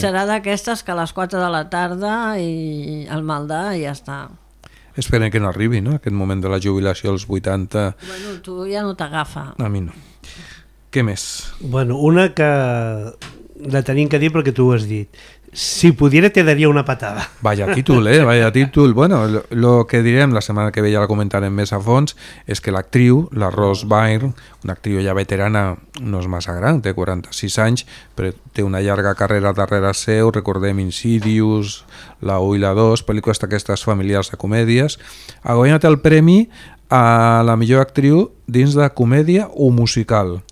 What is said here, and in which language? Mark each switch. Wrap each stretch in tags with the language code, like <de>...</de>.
<ca>Serà d'aquestes que a les 4 de la tarda i el Maldà ja està... Esperem que no arribi, no? Aquest moment de la jubilació als 80. Bueno, tu ja no t'agafa. A mi no. Què més? Bueno, una que la tenim que dir perquè tu ho has dit.</ca> <es>Si pudiera te daría una patada.</es> <ca>Vaya títol, eh? Vaya títol. Bueno, lo que direm la setmana que ve, ja la comentarem més a fons, és que l'actriu, la Rose Byrne, una actriu ja veterana, no és massa gran, té 46 anys, però té una llarga carrera darrere seu, recordem Insidious, La 1 i la 2, pel·lícules d'aquestes familiars de comèdies, ha guanyat el premi a la millor actriu dins de comèdia o musical.</ca>